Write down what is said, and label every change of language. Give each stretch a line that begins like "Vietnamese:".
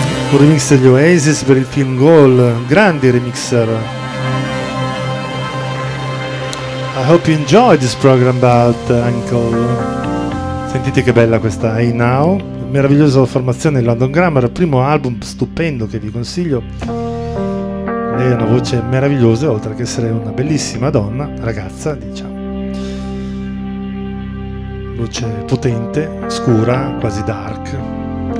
Italian: Un remix degli Oasis per il film Goal, grandi remixer.
English: I hope you enjoy this program about Uncle.
Italian: Sentite che bella questa Hey Now, meravigliosa formazione London Grammar, primo album stupendo che vi consiglio. Lei ha una voce meravigliosa, oltre che essere una bellissima donna, ragazza, diciamo. Voce potente, scura, quasi dark.